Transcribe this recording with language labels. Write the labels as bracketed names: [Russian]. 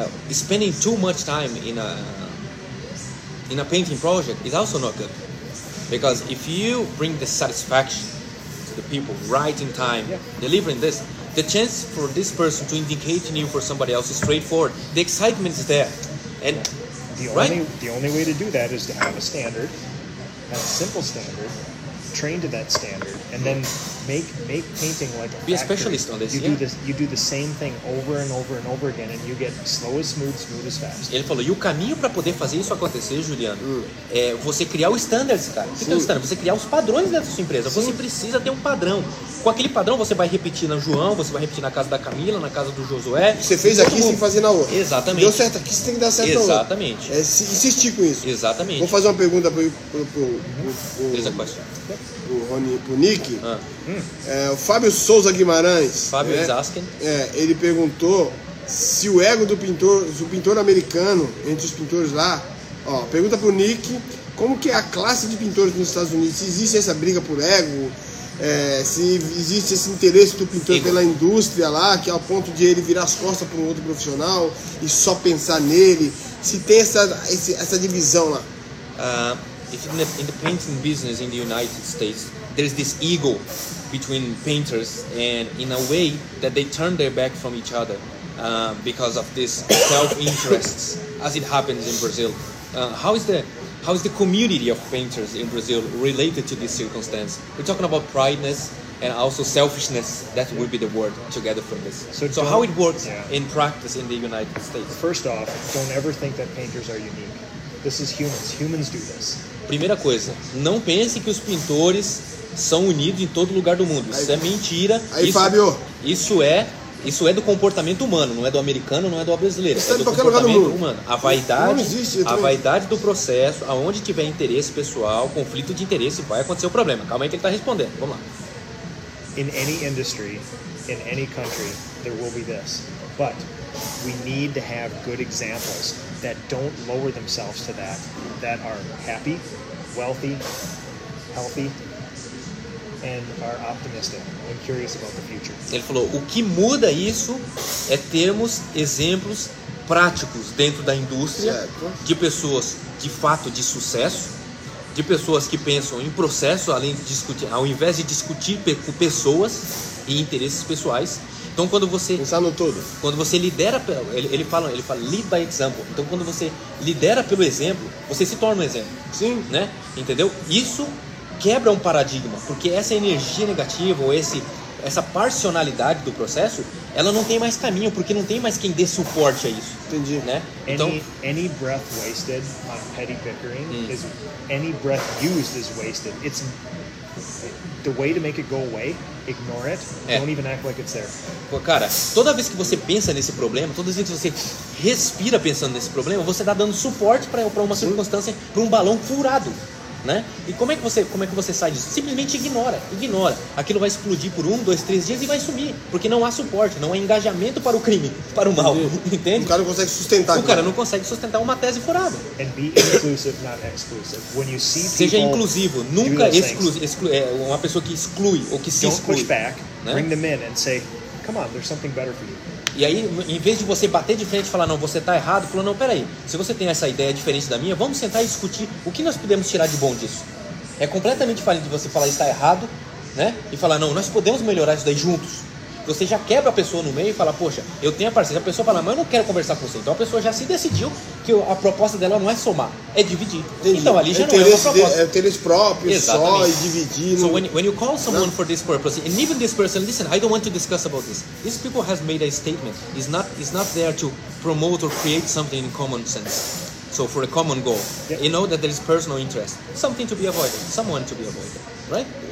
[English] Spending too much time in a painting project is also not good, because if you bring the satisfaction to the people right in time, delivering this, the chance for this person to indicate you for somebody else is straightforward. The excitement is there, and The only way to do that is to have a standard, have a simple standard, train to that standard, and then make painting like a factory. Be a specialist on this. You do the same thing over and over and over again, and you get slow as smooth, smooth as fast. [Portuguese] Ele falou, e o caminho para poder fazer isso acontecer, Juliano, é você criar os standards, cara. Sim. O que é o standard? Você criar os padrões dentro da sua empresa. Sim. Você precisa ter um padrão. Com aquele padrão, você vai repetir na João, você vai repetir na casa da Camila, na casa do Josué. Você fez aqui sem fazer na outra. Exatamente. Deu certo aqui, você tem que dar certo na outra. Exatamente. É insistir com isso. Exatamente. Vou fazer uma pergunta pro Nick. O Fábio Souza Guimarães. Fábio Zasken. Ele perguntou se o ego do pintor americano, entre os pintores lá, ó, pergunta pro Nick, como que é a classe de pintores nos Estados Unidos? Se existe essa briga por ego... se existe esse interesse do pintor pela indústria lá, que é ao ponto de ele virar as costas para um outro profissional e só pensar nele, se tem essa divisão lá. [English] In the painting business in the United States, there's this ego between painters, and in a way that they turn their back from each other because of this self-interests, as it happens in Brazil. How is the community of painters in Brazil related to this circumstance? We're talking about prideness and also selfishness. That would be the word together from this. So how it works in practice in the United States? First off, don't ever think that painters are unique. This is humans. Humans do this. [Portuguese] Primeira coisa, não pense que os pintores são unidos em todo lugar do mundo. Isso é mentira. Aí, Fábio. Isso é do comportamento humano, não é do americano, não é do brasileiro. Isso é do comportamento humano. A vaidade do processo, aonde tiver interesse pessoal, conflito de interesse, vai acontecer o problema. Calma aí que ele está respondendo. Vamos lá. [English] In any industry, in any country, there will be this. But we need to have good examples that don't lower themselves to that, that are happy, wealthy, healthy, and are optimistic and curious about the future. [Portuguese] Ele falou, o que muda isso é termos exemplos práticos dentro da indústria, certo, de pessoas de fato de sucesso, de pessoas que pensam em processo, além de discutir, ao invés de discutir com pessoas e interesses pessoais. Então quando você pensar no todo, quando você lidera pelo, ele fala [English] lead by example. [Portuguese] Então quando você lidera pelo exemplo, você se torna um exemplo. Sim, né? Entendeu? Isso quebra um paradigma, porque essa energia negativa ou essa parcialidade do processo, ela não tem mais caminho, porque não tem mais quem dê suporte a isso. Entendi. Né? [English] Então, any breath wasted on petty bickering is any breath used is wasted. It's the way to make it go away. Ignore it. Don't even act like it's there. [Portuguese] Pô, cara, toda vez que você pensa nesse problema, toda vez que você respira pensando nesse problema, você está dando suporte para uma circunstância, para um balão furado. Né? E como é que você sai disso? Simplesmente ignora. Aquilo vai explodir por 1, 2, 3 dias e vai sumir. Porque não há suporte, não há engajamento para o crime, para o mal. Entende? O cara não consegue sustentar. Uma tese furada. [English] And be inclusive, not exclusive. When you see people, [Portuguese] seja inclusivo, nunca exclui uma pessoa que exclui ou que se exclui. [English] Don't push back, né? Bring them in and say, come on, there's something better for you. [Portuguese] E aí, em vez de você bater de frente e falar, não, você está errado, falou, não, peraí, se você tem essa ideia diferente da minha, vamos sentar e discutir o que nós podemos tirar de bom disso. É completamente diferente de você falar, está errado, né? E falar, não, nós podemos melhorar isso daí juntos. Você já quebra a pessoa no meio e fala, poxa, eu tenho a parceria. A pessoa fala, mas eu não quero conversar com você. Então a pessoa já se decidiu que a proposta dela não é somar, é dividir. Entendi. Então ali já não é uma proposta. É o interesse próprio. Exatamente. Só e dividir. [English] So when you call someone for this purpose, and even this person, listen, I don't want to discuss about this. These people have made a statement. It's not there to promote or create something in common sense. So for a common goal. Yep. You know that there is personal interest. Something to be avoided. Someone to be avoided. Right?